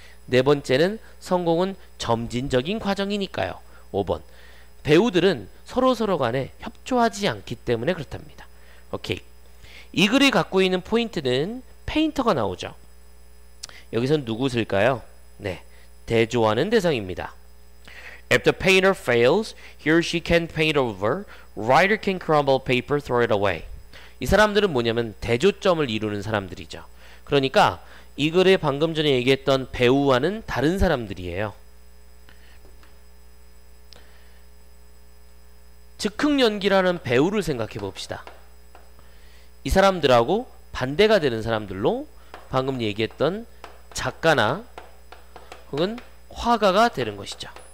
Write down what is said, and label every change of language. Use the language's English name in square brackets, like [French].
[Korean] 네 번째는 성공은 점진적인 과정이니까요. 5번 배우들은 서로서로 간에 협조하지 않기 때문에 그렇답니다. 오케이. 이 글이 갖고 있는 포인트는 페인터가 나오죠. 여기선 누구 쓸까요? 네, 대조하는 대상입니다. [English] If the painter fails, he or she can paint over. Writer can crumble paper, throw it away. [Korean] 이 사람들은 뭐냐면 대조점을 이루는 사람들이죠. 그러니까 이 글에 방금 전에 얘기했던 배우와는 다른 사람들이에요. 즉흥 연기라는 배우를 생각해 봅시다. 이 사람들하고 반대가 되는 사람들로 방금 얘기했던 작가나 혹은 화가가 되는 것이죠.